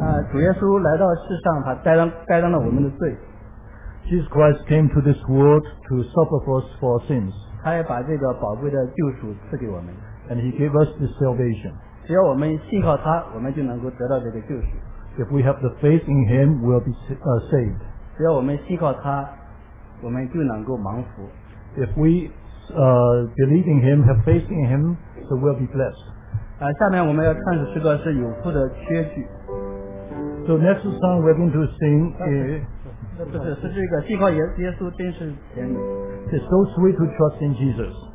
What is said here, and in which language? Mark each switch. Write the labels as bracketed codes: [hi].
[zh] 主耶稣来到世上，他担当了我们的罪。 [en] Jesus Christ came to this world to suffer for us for our sins. [zh] 他也把这个宝贵的救赎赐给我们。 [en] And he gave us this salvation. [zh] 只要我们信靠他，我们就能够得到这个救赎。 [en] If we have the faith in him, we'll be saved. [zh] 只要我们信靠他，我们就能够蒙福。 [en] If we believe in him, have faith in him, so we'll be blessed. [zh] 下面我们要唱的诗歌是有福的缺句。 [en] So next song we're going to sing is. [zh] 是这个，信靠耶稣真是甜美。 [en] It's so sweet to trust in Jesus.